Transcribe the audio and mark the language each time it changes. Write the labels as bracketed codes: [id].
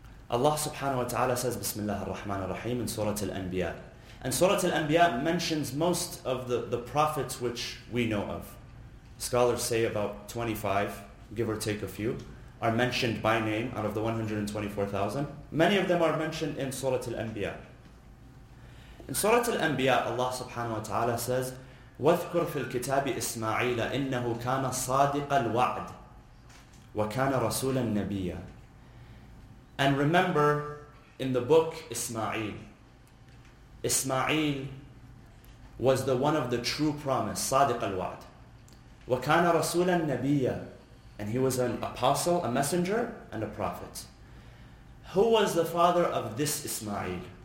[en] Allah subhanahu wa ta'ala says, Bismillah ar-Rahman ar-Rahim in Surah Al-Anbiya. And Surah Al-Anbiya mentions most of the prophets which we know of. Scholars say about 25, give or take a few, are mentioned by name out of the 124,000. Many of them are mentioned in Surah Al-Anbiya. In Surah Al-Anbiya, Allah subhanahu wa ta'ala says, [ar] وَذْكُرْ فِي الْكِتَابِ إِسْمَعِيلَ إِنَّهُ كَانَ صَادِقَ الْوَعْدِ وَكَانَ رَسُولًا نَبِيًّا. [en] And remember in the book Ismail, Ismail was the one of the true promise, [ar] صادق الوعد. وَكَانَ رَسُولًا نَبِيًّا. [en] And he was an apostle, a messenger, and a prophet. Who was the father of this Ismail?